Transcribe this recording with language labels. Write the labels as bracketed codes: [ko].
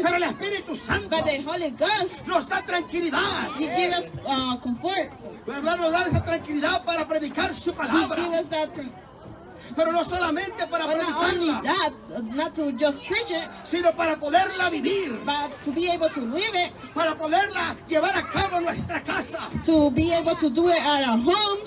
[es] Pero el Espíritu Santo. [en] But the Holy Ghost. [es] Nos da tranquilidad. [en] He gives us comfort. [es] ¿Verdad? Nos da esa tranquilidad para predicar su palabra. [en] He gives us that. [es] Pero no solamente para [en] but [es] predicarla, [en] not only that, not to just preach it, [es] sino para poderla vivir, [en] but to be able to live it, [es] para poderla llevar a cabo en nuestra casa, [en] to be able to do it at our home.